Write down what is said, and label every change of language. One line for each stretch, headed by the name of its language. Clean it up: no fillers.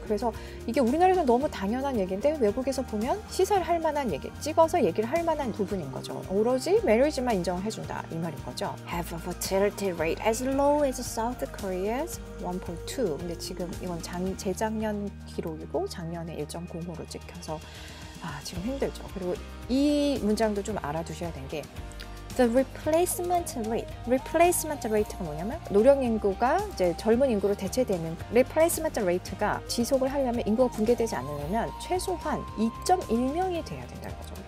Korean: 그래서 이게 우리나라에서는 너무 당연한 얘기인데 외국에서 보면 시사를 할 만한 얘기, 찍어서 얘기를 할 만한 부분인 거죠. 오로지 marriage만 인정을 해준다 이 말인 거죠.
English: Have a fertility rate as low as South Korea's 1.2.
Korean: 근데 지금 이건 재작년 기록이고 작년에 1.05로 찍혀서 아 지금 힘들죠. 그리고 이 문장도 좀 알아두셔야 된 게
English: The replacement rate.
Korean: Replacement rate가 뭐냐면 노령 인구가 이제 젊은 인구로 대체되는 replacement rate가 지속을 하려면 인구가 붕괴되지 않으려면 최소한 2.1명이 돼야 된다는 거죠.